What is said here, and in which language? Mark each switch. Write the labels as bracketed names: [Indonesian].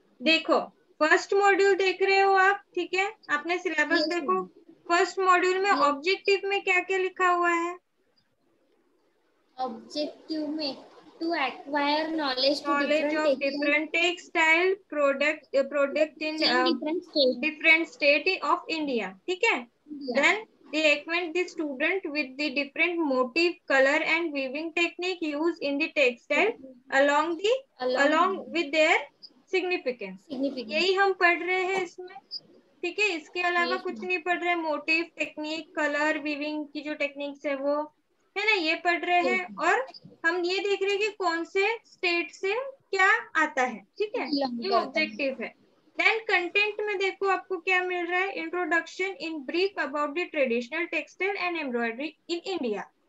[Hindi] देखो first module देख रहे हो आप, ठीक है, अपने सिलेबस देखो, फर्स्ट मॉड्यूल में ऑब्जेक्टिव में क्या क्या लिखा हुआ है? [English] Objective में to acquire knowledge of different textile product in different state of India. [Hindi] ठीक है, [English] Then They acquaint the student with the different motif, color and weaving technique used in the textile along with their significance. [Hindi] यही हम पढ़ रहे हैं इसमें, ठीक है, इसके अलावा कुछ नहीं पढ़ रहे, motif, technique, color, weaving की जो techniques है वो है ना, ये पढ़ रहे हैं, और हम ये देख रहे हैं कि कौन से स्टेट से क्या आता है। ठीक है, ये ऑब्जेक्टिव है। Then content में देखो आपको क्या मिल रहा है, [English] Introduction in brief about the traditional textile and embroidery in India.